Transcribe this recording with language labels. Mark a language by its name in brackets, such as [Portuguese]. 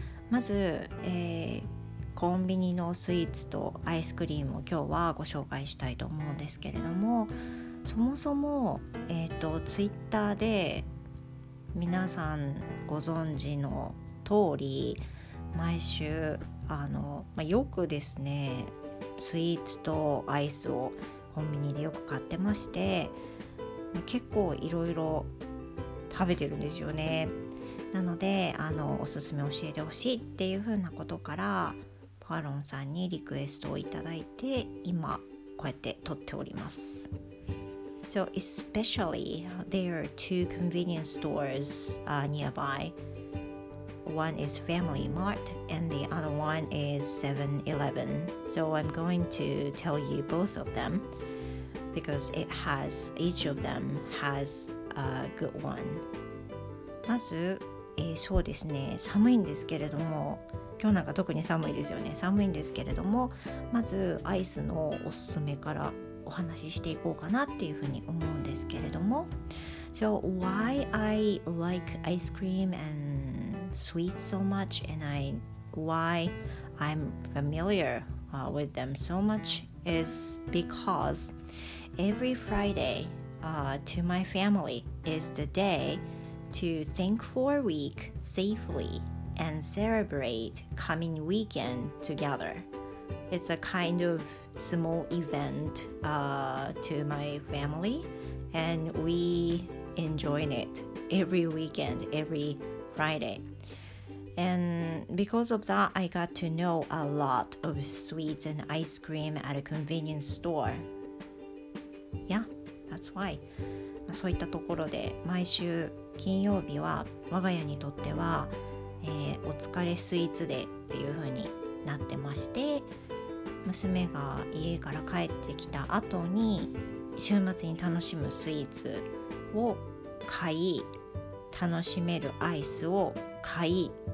[Japanese] まず、コンビニのスイーツとアイスクリームを今日はご紹介したいと思うんですけれども、そもそも、ツイッターで皆さんご存知の通り、毎週よくですね、スイーツとアイスをコンビニでよく買ってまして、結構いろいろ食べてるんですよね。なのでおすすめ教えてほしいっていうふうなことからパロンさんにリクエストをいただいて、今こうやって撮っております。 [English] So especially there are two convenience stores nearby. One is Family Mart and the other one is 7-Eleven. So I'm going to tell you both of them because it has, each of them has a good one. [Japanese] まず、そうですね、寒いんですけれども、今日なんか特に寒いですよね。寒いんですけれども、まずアイスのおすすめからお話ししていこうかなっていうふうに思うんですけれども、 [English] So why I like ice cream and sweets so much and why I'm familiar with them so much is because every Friday to my family is the day to think for a week safely and celebrate coming weekend together. It's a kind ofsmall event to my family and we enjoy it every weekend, every Friday. And because of that, I got to know a lot of sweets and ice cream at a convenience store. Yeah, that's why. [Japanese] そういったところで毎週金曜日は我が家にとっては、お疲れスイーツデーっていう風になってまして、娘が家から帰ってきた後に週末に楽しむスイーツを買い、楽しめるアイスを買い